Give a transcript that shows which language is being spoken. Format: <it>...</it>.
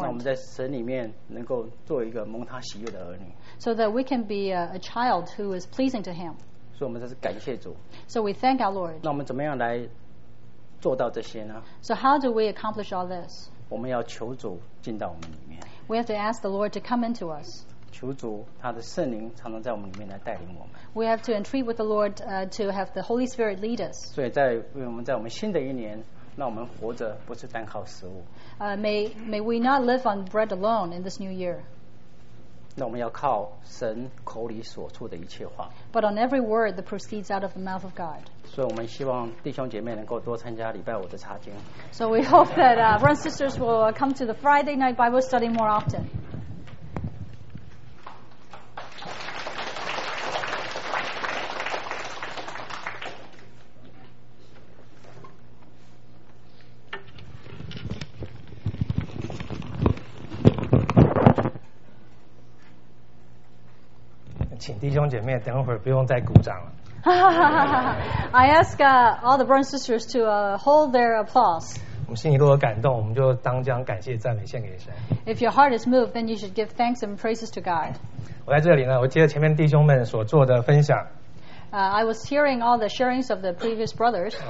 <zh>让我们在神里面能够做一个蒙他喜悦的儿女。</zh> <en>So that we can be a child who is pleasing to Him.</en> <zh>所以我们这是感谢主。</zh> <en>So we thank our Lord.</en> <zh>那我们怎么样来做到这些呢？</zh> <en>So how do we accomplish all this?</en> <zh>我们要求主进到我们里面。</zh> <en>We have to ask the Lord to come into us.</en> <zh>求主他的圣灵常常在我们里面来带领我们。</zh> <en>We have to entreat with the Lord to have the Holy Spirit lead us.</en> <zh>所以在为我们在我们新的一年，让我们活着不是单靠食物。</zh> <en>May we not live on bread alone in this new year.</en> <zh>那我们要靠神口里所出的一切话。</zh> <en>But on every word that proceeds out of the mouth of God.</en> <zh>所以我们希望弟兄姐妹能够多参加礼拜五的查经。</zh> <en>So we hope that brothers and sisters will come to the Friday night Bible study more often.</en> <zh>请弟兄姐妹等会儿不用再鼓掌了。</zh> <en>I ask all the brothers and sisters to hold their applause.</en> <zh>我们心里如果感动，我们就当将感谢赞美献给神。</zh> <en>If your heart is moved, then you should give thanks and praises to God.</en> <zh>我在这里呢，我接着前面弟兄们所做的分享。</zh> <en>I was hearing all the sharings of the previous brothers.</en>